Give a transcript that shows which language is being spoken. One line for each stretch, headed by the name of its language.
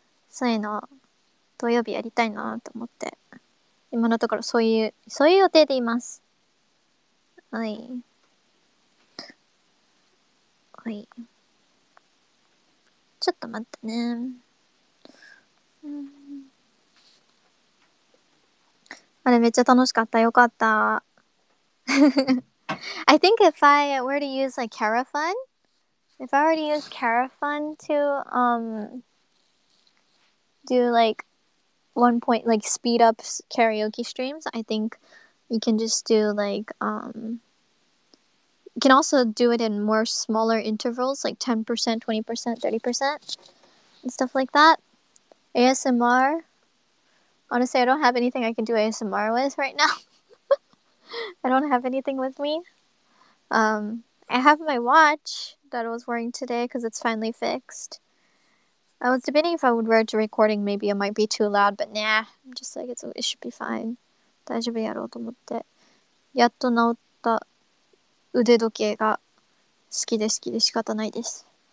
Japanese: そういうの、土曜日やりたいなと思って。今のところそういう予定でいます。はい。はい。ちょっと待ってね。うん、あれめっちゃ楽しかった。よかった。
English: I think if I were to use like Carafun, if I were to use Carafun to do like one point, like speed up karaoke streams, I think you can just do like, you can also do it in more smaller intervals, like 10%, 20%, 30%, and stuff like that. ASMR. Honestly, I don't have anything I can do ASMR with right now. I don't have anything with me. I have my watch that I was wearing today because it's finally fixed. I was debating if I would wear it to recording. Maybe it might be too loud, but nah. I'm just like, it should be fine.
Japanese: 大丈夫やろうと思って。やっと治った腕時計が好きで好きで仕方ないです。